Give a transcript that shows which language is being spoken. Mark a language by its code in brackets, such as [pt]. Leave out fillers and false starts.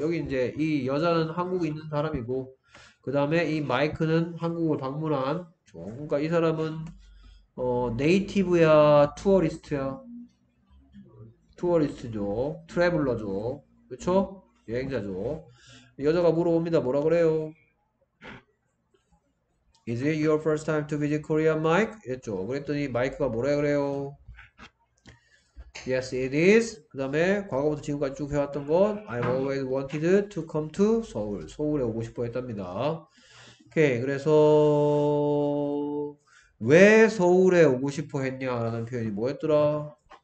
[ko] 여기 이제 이 여자는 한국에 있는 사람이고 그 다음에 이 마이크는 한국을 방문한 그러니까 이 사람은 네이티브야, 투어리스트야, 투어리스트죠, 트래블러죠, 그렇죠? 여행자죠. 여자가 물어봅니다. 뭐라 그래요? [en] Is it your first time to visit Korea, Mike? [ko] 이랬죠. 그랬더니 마이크가 뭐라 그래요? [en] Yes, it is. [ko] 그 다음에 과거부터 지금까지 쭉 해왔던 건 [en] I've always wanted to come to 서울. [ko] 서울에 오고 싶어 했답니다. 오케이. 그래서 왜 서울에 오고 싶어 했냐라는 표현이 뭐였더라?